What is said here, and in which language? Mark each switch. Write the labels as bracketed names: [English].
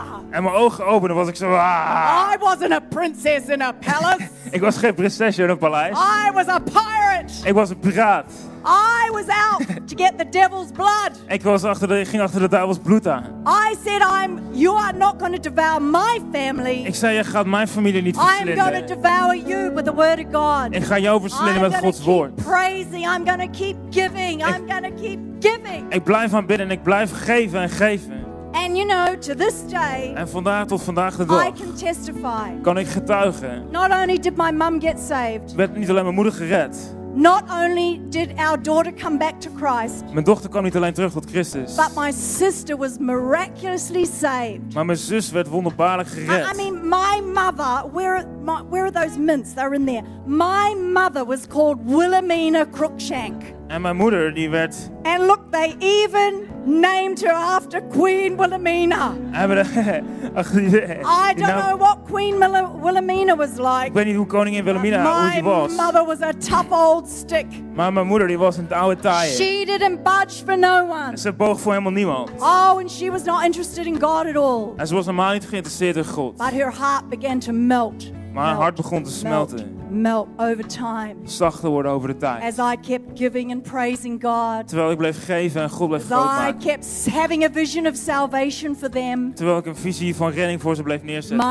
[Dutch] En mijn ogen openen was ik zo. [English] I wasn't a princess in a palace. [Dutch] Ik was geen prinses in een paleis. [English] I was a pirate. [Dutch] Ik was een piraat. [English] I was out to get the devil's blood. [Dutch] Ik ging achter de duivels bloed aan. [English] I said you are not going to devour my family. [Dutch] Ik zei je gaat mijn familie niet verslinden. [English] I'm going to devour you with the word of God. [Dutch] Ik ga jou verslinden met Gods woord. [English] Praising, I'm going to keep giving. I'm going to keep giving. [Dutch] Ik blijf aan bidden en ik blijf geven en geven. [English] And you know, to this day, [Dutch] en vandaag tot vandaag de dag, [English] I can testify, [Dutch] kan ik getuigen. [English] Not only did my mom get saved, [Dutch] werd niet alleen mijn moeder gered. [English] Not only did our daughter come back to Christ, [Dutch] mijn dochter kwam niet alleen terug tot Christus. [English] But my sister was miraculously saved. [Dutch] Maar mijn zus werd wonderbaarlijk gered. [English] I mean, my mother, where are those mints? They're in there. My mother was called Wilhelmina Cruikshank. [Dutch] En mijn moeder die werd. [English] And look, they even named her after Queen Wilhelmina. I don't know what Queen Wilhelmina was like. [Dutch] Ik weet niet hoe koningin Wilhelmina hoe ze was. [English] My mother was a tough old stick. [Dutch] Maar mijn moeder die was een oude taaier. [English] She didn't budge for no one. [Dutch] En ze boog voor helemaal niemand. [English] Oh, and she was not interested in God at all. [Dutch] En ze was helemaal niet geïnteresseerd in God. [English] But her heart began to melt. [Dutch] Maar haar hart begon te smelten. [English] Melt over time. [Dutch] Zachter worden over de tijd. [English] As I kept giving and praising God. [Dutch] Terwijl ik bleef geven en God bleef groot maken. [English] As I kept having a vision of salvation for them. [Dutch] Terwijl ik een visie van redding voor ze bleef neerzetten.